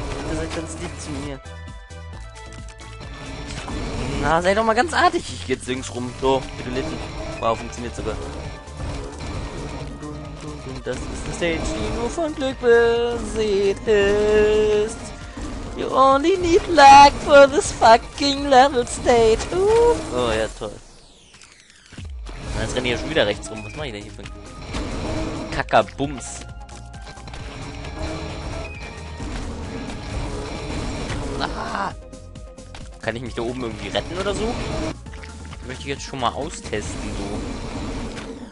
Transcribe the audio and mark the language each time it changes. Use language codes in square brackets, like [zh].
[de] Ihr seid ganz lieb zu mir. Na, sei doch mal ganz artig. Ich geh jetzt links rum. So, bitte litten. Wow, funktioniert sogar. Das ist eine Stage, die nur von Glück besät ist. [en] You only need luck for this fucking level stage. [de] Oh ja, toll. Na, jetzt renne ich ja schon wieder rechts rum. Was mache ich denn hier für Kackabums? Kann ich mich da oben irgendwie retten oder so? Möchte ich jetzt schon mal austesten, so.